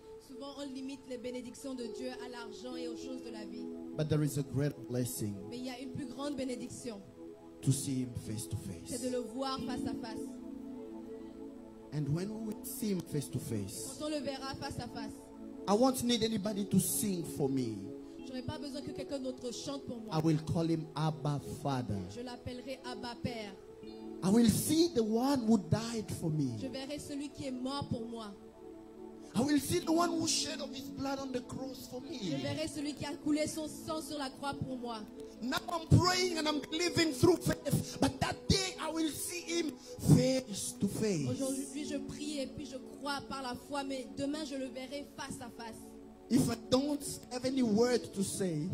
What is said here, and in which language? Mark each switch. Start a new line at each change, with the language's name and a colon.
French: Souvent on limite les bénédictions de Dieu à l'argent et aux choses de la vie.
English: But there is a great blessing.
French: Mais il y a une plus grande bénédiction.
English: To see him face to face.
French: C'est de le voir face à face.
English: And when we will see him face to face.
French: Quand on le verra face à face.
English: I won't need anybody to sing for me.
French: J'aurais pas besoin que quelqu'un d'autre chante pour moi.
English: I will call him Abba Father.
French: Je l'appellerai Abba Père.
English: I will see the one who died for me.
French: Je verrai celui qui est mort pour moi.
English: I will see the one who shed of his blood on the cross for me.
French: Je verrai celui qui a coulé son sang sur la croix pour moi.
English: Now I'm praying and I'm living through faith, but that day I will see him face to face.
French: Aujourd'hui je prie et puis je crois par la foi, mais demain je le verrai face à face.
English: If I don't have any word to say,